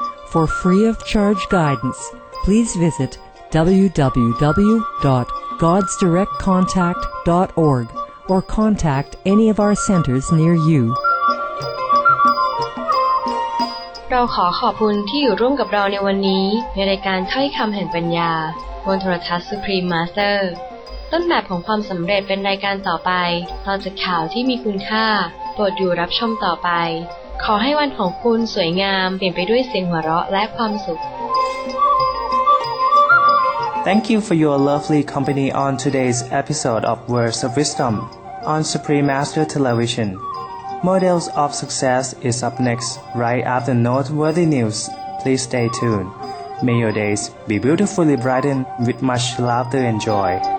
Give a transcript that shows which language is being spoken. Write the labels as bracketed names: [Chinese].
[English] For free of charge guidance, please visit www.godsdirectcontact.org or contact any of our centers near you. [Thai] เราขอขอบคุณที่อยู่ร่วมกับเราในวันนี้ในรายการถ้อยคำแห่งปัญญาบนโทรทัศน์ Supreme Masterต้นแบบของความสำเร็จเป็นรายการต่อไปตอนจากข่าวที่มีคุณค่าโปรดอยู่รับชมต่อไปขอให้วันของคุณสวยงามเปลี่ยนไปด้วยเสียงหัวเราะและความสุข [English] Thank you for your lovely company on today's episode of Words of Wisdom on Supreme Master Television Models of Success is up next right after Noteworthy News Please stay tuned May your days be beautifully brightened with much laughter and joy